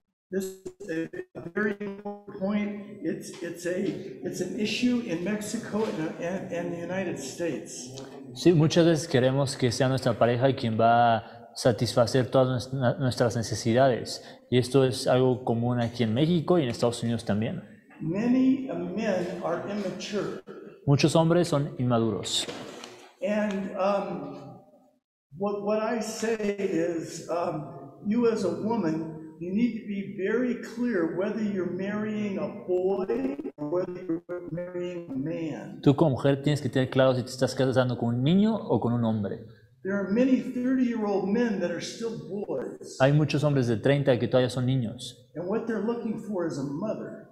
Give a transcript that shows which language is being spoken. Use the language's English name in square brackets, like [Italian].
[English] This is a very important point. It's an issue in Mexico and the United States. [Spanish] Sí, muchas veces queremos que sea nuestra pareja quien va a satisfacer todas nuestras necesidades, y esto es algo común aquí en México y en Estados Unidos también. [English] Many men are immature. [Spanish] Muchos hombres son inmaduros. [English] And what I say is, you as a woman, you need to be very clear whether you're marrying a boy or whether you're marrying a man. [Spanish] Tú como mujer tienes que tener claro si te estás casando con un niño o con un hombre. [English] There are many 30-year-old men that are still boys. [Spanish] Hay muchos hombres de 30 que todavía son niños. [English] And what they're looking for is a mother.